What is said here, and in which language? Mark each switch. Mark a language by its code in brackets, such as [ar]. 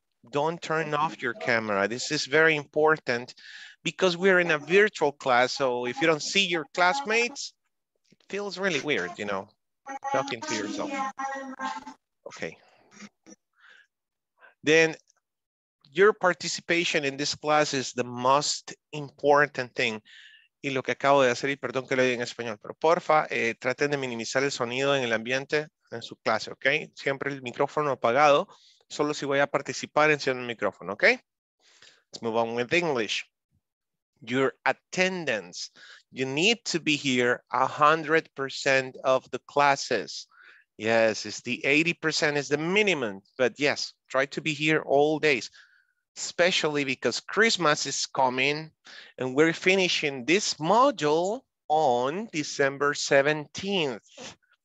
[en] Don't turn off your camera. This is very important because we're in a virtual class. So if you don't see your classmates, feels really weird, you know, talking to yourself. Okay. Then your participation in this class is the most important thing. [es] Y lo que acabo de hacer, y perdón que lo diga en español, pero porfa, traten de minimizar el sonido en el ambiente en su clase, okay? Siempre el micrófono apagado, solo si voy a participar enciendo el micrófono, okay? [en] Let's move on with English. Your attendance. You need to be here 100% of the classes. Yes, it's the 80% is the minimum, but yes, try to be here all days, especially because Christmas is coming and we're finishing this module on December 17th.